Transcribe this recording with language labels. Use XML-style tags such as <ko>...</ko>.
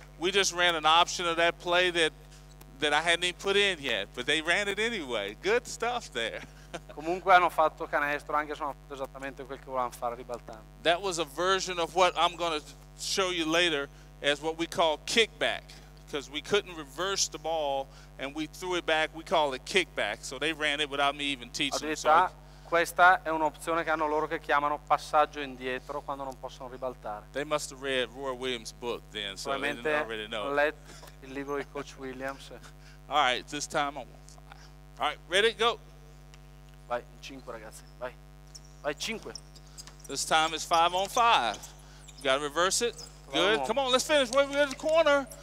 <en>We just ran an option of that play that I hadn't even put in yet, but they ran it anyway. Good stuff there.</en> <it>Comunque hanno fatto canestro anche se hanno fatto esattamente quel che volevano fare ribaltando.</it> <en>That was a version of what I'm going to show you later as what we call kickback, because we couldn't reverse the ball and we threw it back. We call it kickback, so they ran it without me even teaching.</en> <it>Addirittura, questa è un'opzione che hanno loro che chiamano passaggio indietro quando non possono ribaltare.</it> <en>They must have read Roy Williams' book then, so they didn't already know.</en> <it>Probabilmente il libro di Coach Williams.</it> <en>All right, this time I'm on fire. All right, ready, go.</en> <it>Vai, 5 ragazzi, vai, 5.</it> <en>This time it's 5-on-5. You gotta reverse it. Good. Come on, let's finish. Where we at the corner?</en>